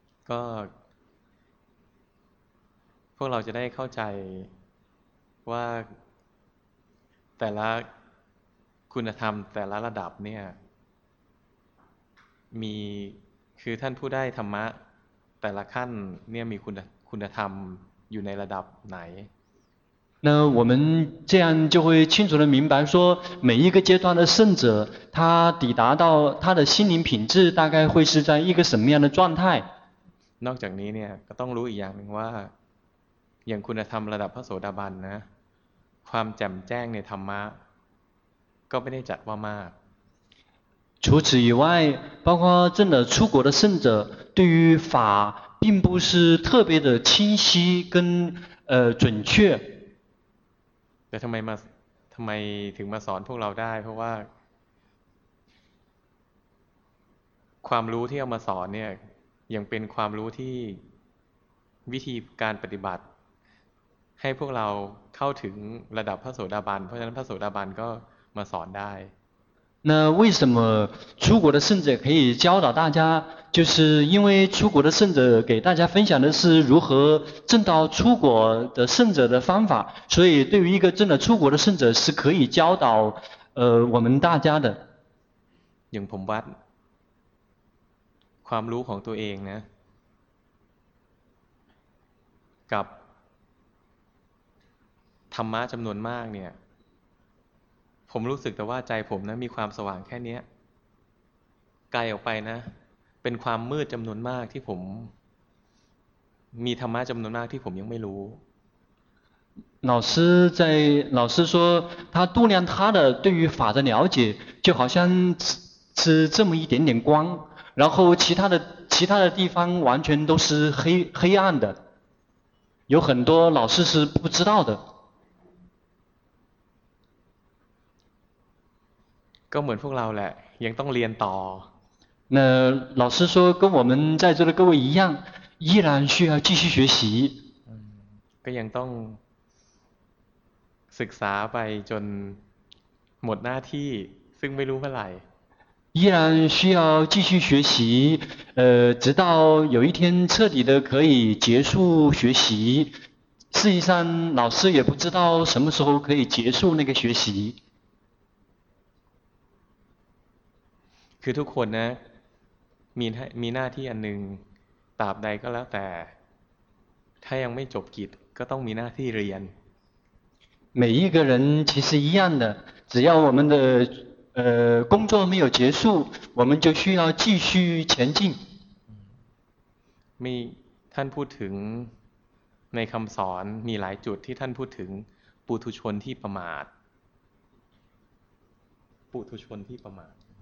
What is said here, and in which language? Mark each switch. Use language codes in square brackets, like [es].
[th] ก็พวกเราจะได้เข้าใจว่าแต่ละคุณธรรมแต่ละระดับเนี่ยมีคือท่านผู้ได้ธรรมะแต่ละขั้นเนี่ยมีคุณธรรมอยู่ในระดับไหน [zh] 那我们这样就会清楚的明白说每一个阶段的圣者他抵达到他的心灵品质大概会是在一个什么样的状态 [th] นอกจากนี้เนี่ยก็ต้องรู้อีกอย่างนึงว่าอย่างคุณธรรมระดับพระโสดาบันนะความแจ่มแจ้งในธรรมะก็ไม่ได้จัดว่ามาก [zh] 除此以外包括真的出国的圣者对于法并不是特别的清晰跟准确 [th] แต่ทำไมถึงมาสอนพวกเราได้เพราะว่าความรู้ที่เอามาสอนเนี่ยยังเป็นความรู้ที่วิธีการปฏิบัติให้พวกเราเข้าถึงระดับพระโสดาบันเพราะฉะนั้นพระโสดาบันก็มาสอนได้ [zh] 那为什么出国的圣者可以教导大家就是因为出国的圣者给大家分享的是如何证到出国的圣者的方法所以对于一个证了出国的圣者是可以教导我们大家的 [th] อย่างผมวัดความรู้ของตัวเองนะกับธรรมะจำนวนมากเนี่ยผมรู้สึกแต่ว่าใจผมนะมีความสว่างแค่นี้ไกลออกไปนะเป็นความมืดจำนวนมากที่ผมมีธรรมะจำนวนมากที่ผมยังไม่รู้ [zh] 老师在老师说他度量他的对于法的了解就好像是这么一点点光然后其他的地方完全都是黑暗的有很多老师是不知道的 [th] ก็เหมือนพวกเราแหละยังต้องเรียนต่อ [zh] 那老师说跟我们在座的各位一样依然需要继续学习 [th] ก็ยังต้องศึกษาไปจนหมดหน้าที่ซึ่งไม่รู้เมื่อไหร่ [zh] 依然需要继续学习直到有一天彻底的可以结束学习事实上老师也不知道什么时候可以结束那个学习 [th] คือทุกคนนะมีหน้าที่อันหนึ่งตราบใดก็แล้วแต่ถ้ายังไม่จบกิจก็ต้องมีหน้าที่เรียน [zh] 每一个人其实一样的只要我们的工作没有结束我们就需要继续前进 [th] มีท่านพูดถึงในคำสอนมีหลายจุดที่ท่านพูดถึงปุถุชนที่ประมาทปุถุชนที่ประมาท